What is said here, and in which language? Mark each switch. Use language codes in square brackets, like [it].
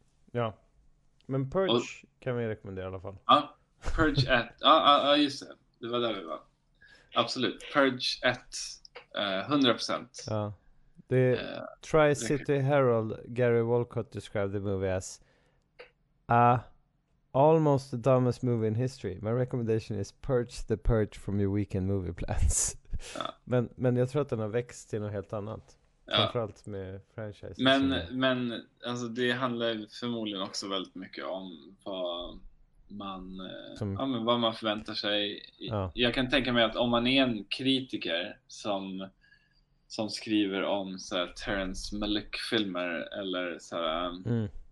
[sv] Ja, men Purge kan vi rekommendera i alla fall. Purge 1. Ja, just det. Det var där vi var. Absolut. Purge 1. 100%. Ja, det är Tri-City Herald. [en] Gary Wolcott described the movie as almost the dumbest movie in history. My recommendation is purge the purge from your weekend movie plans. [sv] Men jag tror att den har växt till något helt annat. Framförallt med franchises som är. Men alltså det handlar förmodligen också väldigt mycket om Som. vad man förväntar sig. Ja. Jag kan tänka mig att om man är en kritiker som skriver om så här, Terrence Malick-filmer eller så här, då